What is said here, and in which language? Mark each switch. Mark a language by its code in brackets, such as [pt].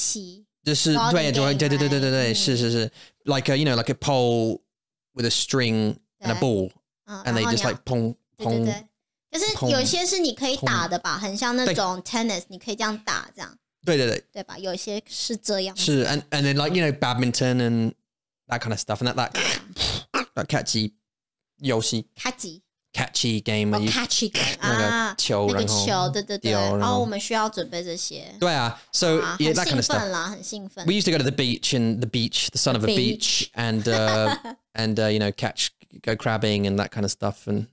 [zh] 哦，那种花园的游戏，就是对对对对对对对，是是是 [en] ，like a, you know, like a pole with a string and a ball, and they just like pong pong. [zh] 可是有些是你可以打的吧，很像那种 tennis， 你可以这样打这样。对对对，对吧？有些是这样。是 [en] and then like you know badminton and that kind of stuff and that that catchy 游戏 catchy。 Catchy game, oh, catchy game. [zh] 那个球，然后我们需要准备这些。对啊， [en] so yeah, that kind of stuff. [zh] 很兴奋。We [en] used to go to the beach and the beach, the son of a beach, and you know, catch, go crabbing and that kind of stuff.